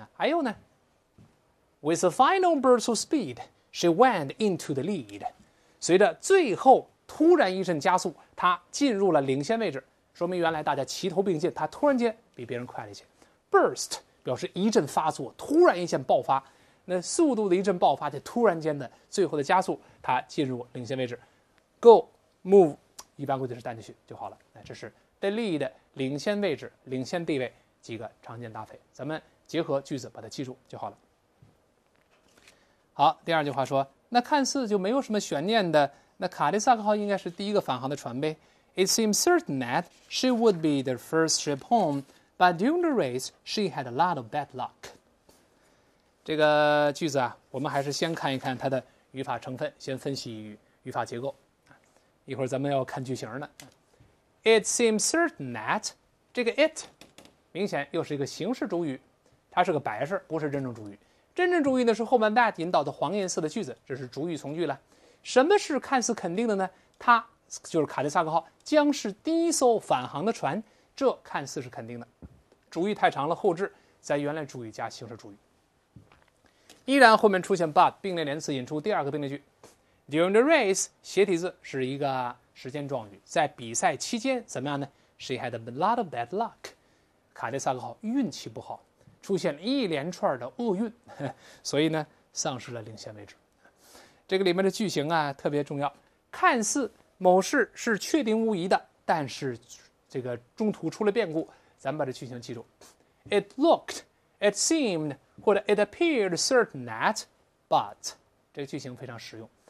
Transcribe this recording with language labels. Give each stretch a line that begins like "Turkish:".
Chinese: 还有呢，
English: With a final burst of speed, she went into the lead.
Chinese: 随着最后突然一阵加速，她进入了领先位置，说明原来大家齐头并进，她突然间比别人快了一些。 Burst 表示一阵发作，突然一阵爆发，那速度的一阵爆发就突然间的最后的加速，她进入领先位置。
English: Go, move
Chinese: 一般规则是单进去就好了，这是的利益的领先位置、领先地位几个常见搭配，咱们结合句子把它记住就好了。好，第二句话说，那看似就没有什么悬念的，那卡迪萨克号应该是第一个返航的船呗。
English: It seems certain that she would be the first ship home, but during the race, she had a lot of bad luck.
Chinese: 这个句子啊，我们还是先看一看它的语法成分，先分析语法结构。一会儿咱们要看句型呢。
English: It seems certain that
Chinese: 这个 it 明显又是一个形式主语，它是个摆设，不是真正主语。真正主语呢是后半 that 引导的黄颜色的句子，这是主语从句了。什么是看似肯定的呢？它就是卡迪萨克号将是第一艘返航的船，这看似是肯定的。主语太长了，后置在原来主语加形式主语。依然后面出现 but 并列连词，引出第二个并列句。
English: During the race
Chinese: 斜体字是一个时间状语，在比赛期间怎么样呢？
English: She had a lot of bad luck，
Chinese: 卡迪萨克号运气不好，出现了一连串的厄运，所以呢丧失了领先位置。这个里面的句型啊特别重要，看似某事是确定无疑的，但是这个中途出了变故，咱们把这句型记住。
English: It looked, it seemed,
Chinese: 或者
English: it appeared certain that, but
Chinese: 这个句型非常实用。